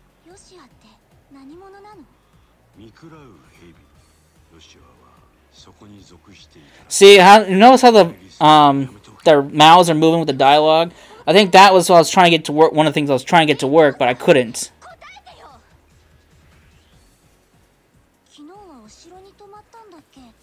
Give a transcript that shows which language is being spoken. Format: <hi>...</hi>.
<ja>ヨシアって何者なの？見くらう蛇。ヨシアはそこに属していた。</ja> <en>See, you notice how their mouths are moving with the dialogue? I think that was what I was trying to get to work. One of the things I was trying to get to work, but I couldn't.</en> <ja>昨日はお城に泊まったんだっけ？</ja>